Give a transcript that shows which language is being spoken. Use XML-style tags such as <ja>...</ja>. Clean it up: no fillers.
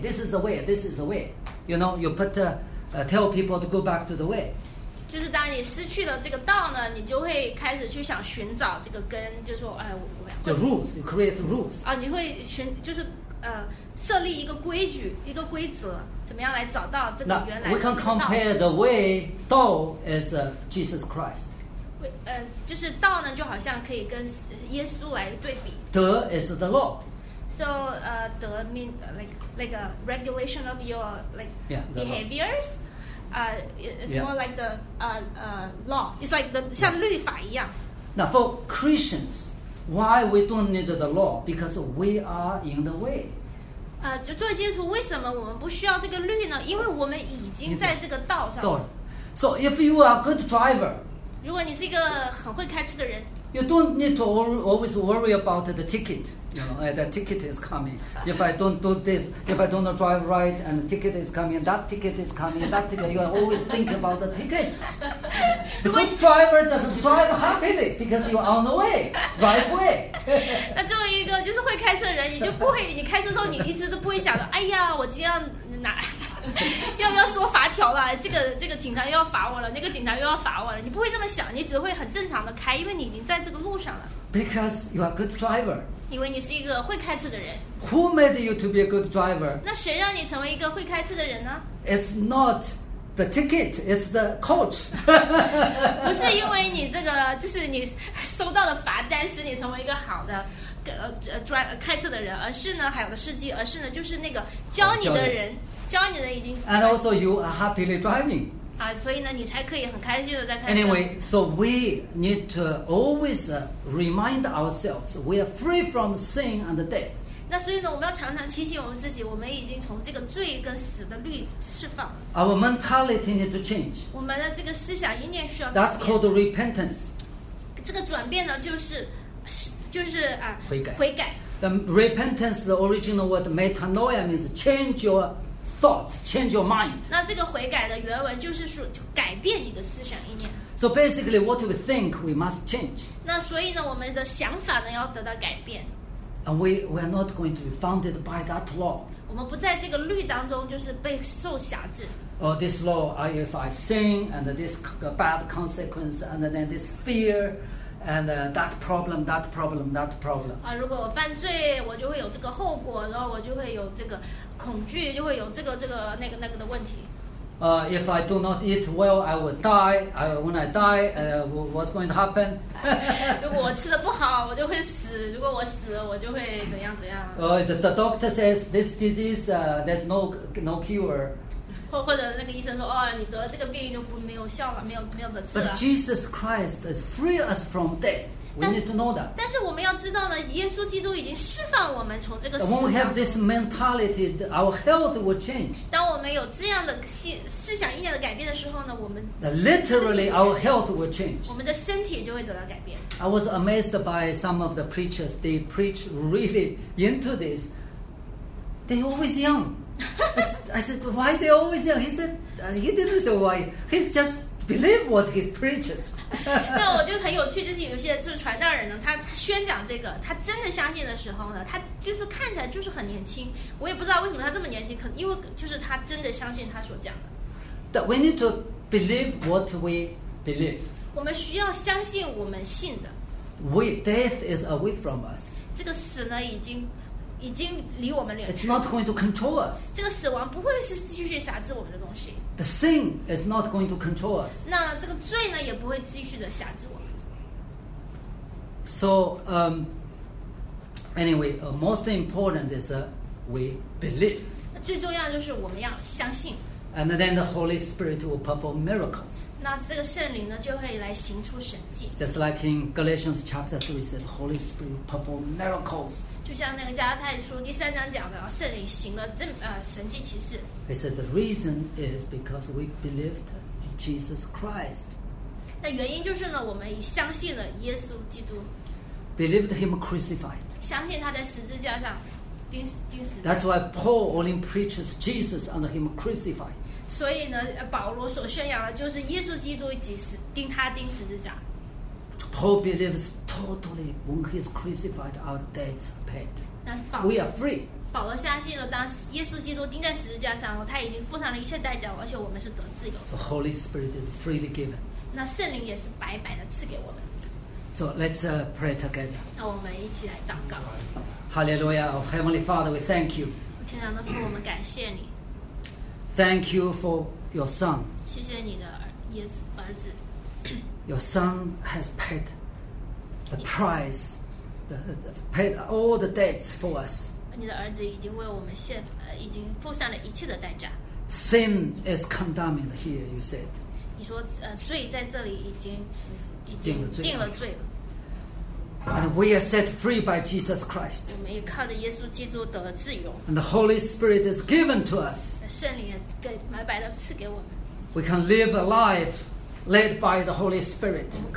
<en>This is the way, this is the way. You know, you put tell people to go back to the way.</en> <zh>就是当你失去了这个道呢，你就会开始去想寻找这个根，就是说，哎，我</zh> <en>The rules, you create rules.</en> <zh>啊，你会寻，就是设立一个规矩，一个规则，怎么样来找到这个原来的道。</zh> <en>We can compare the way, 道 as Jesus Christ.</en> <zh>就是道呢，就好像可以跟耶稣来对比。</zh> <en>德 is the law. So, the mean like a regulation of your behaviors, more like the law. It's like the</en> <zh>像律法一样.</zh> <en>Now, for Christians, why we don't need the law? Because we are in the way.</en> <zh>就作为基督徒，为什么我们不需要这个律呢？因为我们已经在这个道上。道。</zh> <en>So, if you are a good driver,</en> <zh>如果你是一个很会开车的人。</zh> <en>You don't need to always worry about the ticket. You know, the ticket is coming. If I don't do this, if I don't drive right, and the ticket is coming, that ticket is coming, that ticket, you are always thinking about the tickets. The good driver doesn't drive happily because you are on the way, right way.</en> <zh>那作为一个就是会开车的人，你就不会，你开车的时候你一直都不会想着，哎呀，我今天哪要不要说罚条了？这个警察又要罚我了，那个警察又要罚我了。你不会这么想，你只会很正常的开，因为你已经在这个路上了。</zh> <en>Because you are a good driver.</en> <zh>因为你是一个会开车的人。</zh> <en>Who made you to be a good driver?</en> <zh>那谁让你成为一个会开车的人呢？</zh> <en>It's not the ticket, it's the coach.</en> <zh>不是因为你这个，就是你收到的罚单使你成为一个好的开车的人，而是呢还有个司机，而是呢就是那个教你的人。教你的已经。</zh> <en>And also you are happily driving.</en> <zh>啊，所以呢，你才可以很开心的在开车。</zh> <en>Anyway, so we need to always remind ourselves we are free from sin and death.</en> <zh>那所以呢，我们要常常提醒我们自己，我们已经从这个罪跟死的律释放了。</zh> <en>Our mentality needs to change.</en> <zh>我们的这个思想意念需要。</zh> <en>That's called repentance.</en> <zh>这个转变呢，就是啊，悔改。</zh> <en>The repentance, the original word metanoia means change your thoughts, change your mind.</en> <zh>那这个悔改的原文就是说，就改变你的思想意念。</zh> <en>So basically, what we think, we must change.</en> <zh>那所以呢，我们的想法呢要得到改变。</zh> <en>And we are not going to be founded by that law.</en> <zh>我们不在这个律当中，就是被受辖制。</zh> <en>Oh, this law, if I sin, and this bad consequence, and then this fear, And that problem.</en> <zh>啊，如果我犯罪，我就会有这个后果，然后我就会有这个恐惧，就会有这个的问题。</zh> <en>If I do not eat well, I will die. When I die, what's going to happen?</en> <zh>如果我吃的不好，我就会死。如果我死了，我就会怎样怎样。</zh> <en>The doctor says this disease, there's no cure.</en> <zh>或者那个医生说，哦，你得了这个病就不没有效了，没有的治了。</zh> <en>But Jesus Christ has freed us from death. We need to know that.</en> <zh>但是我们要知道呢，耶稣基督已经释放我们从这个死亡。</zh> <en>When we have this mentality, our health will change.</en> <zh>当我们有这样的思想意念的改变的时候呢，我们</zh> <en>literally our health will change.</en> <zh>我们的身体就会得到改变。</zh> <en>I was amazed by some of the preachers. They preach really into this. They always young. I said, why they always young? He said, he didn't say why. He's just believe what he preaches.</en> <zh>那我就很有趣，就是有些就是传道人呢，他宣讲这个，他真的相信的时候呢，他就是看起来就是很年轻。我也不知道为什么他这么年轻，可能因为就是他真的相信他所讲的。</zh> <en>That we need to believe what we believe.</en> <zh>我们需要相信我们信的。</zh> <en>Death is away from us.</en> <zh>这个死呢，已经离我们远去。</zh> <en>It's not going to control us.</en> <zh>这个死亡不会是继续辖制我们的东西。</zh> <en>The sin is not going to control us.</en> <zh>那这个罪呢，也不会继续的辖制我们。</zh> <en>So, anyway, most important is we believe.</en> <zh>最重要就是我们要相信。</zh> <en>And then the Holy Spirit will perform miracles.</en> <zh>那这个圣灵呢，就会来行出神迹。</zh> <en>Just like in Galatians chapter 3 said, Holy Spirit will perform miracles.</en> <zh>就像那个加拉太书第三章讲的，圣灵行了神迹奇事。</zh> <en>He said the reason is because we believed in Jesus Christ.</en> <zh>那原因就是呢，我们已相信了耶稣基督。</zh> <en>Believed him crucified.</en> <zh>相信他在十字架上钉死。</zh> <en>That's why Paul only preaches Jesus and him crucified.</en> <zh>所以呢，保罗所宣扬的就是耶稣基督钉十字架。</zh> <en>Paul believes totally when he is crucified, our debt is paid. We are free.</en> <zh>保罗相信了，当耶稣基督钉在十字架上，他已经付上了一切代价，而且我们是得自由。</zh> <en>So Holy Spirit is freely given.</en> <zh>那圣灵也是白白的赐给我们。</zh> <en>So let's pray together.</en> <zh>那我们一起来祷告。</zh> <en>Hallelujah, oh, Heavenly Father, we thank you.</en> <zh>天上的父，我们感谢你。</zh> <en>Thank you for your Son.</en> <zh>谢谢你的儿子。</zh> <en>Your Son has paid the price, paid all the debts for us.</en> <zh>你的儿子已经为我们已经付上了一切的代价。</zh> <en>Sin is condemned here, you said.</en> <zh>你说罪在这里已经定了罪了。</zh> <en>And we are set free by Jesus Christ.</en> <zh>我们也靠着耶稣基督得了自由。</zh> <en>And the Holy Spirit is given to us.</en> <zh>圣灵也白白的赐给我们。</zh> <en>We can live a life led by the Holy Spirit.</en>